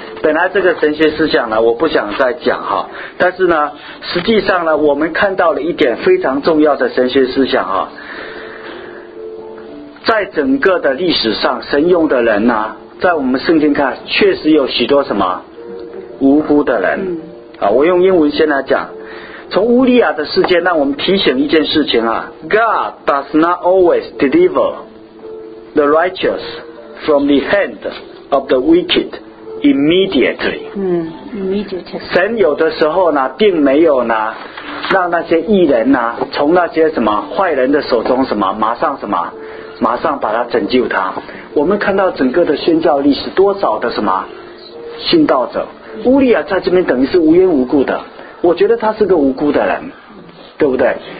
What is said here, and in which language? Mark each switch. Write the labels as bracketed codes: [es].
[zh] 本来这个神学思想呢，我不想再讲哈，但是呢，实际上呢，我们看到了一点非常重要的神学思想哈，在整个的历史上，神用的人呢，在我们圣经看，确实有许多什么无辜的人啊。我用英文先来讲，从乌利亚的事件让我们提醒一件事情啊， [en] God does not always deliver the righteous from the hand of the wicked immediately。 [zh] 神有的时候呢，并没有呢让那些义人呢从那些什么坏人的手中什么马上什么马上把他拯救他。我们看到整个的宣教历史，多少的什么殉道者，乌利亚在这边等于是无缘无故的，我觉得他是个无辜的人，对不对？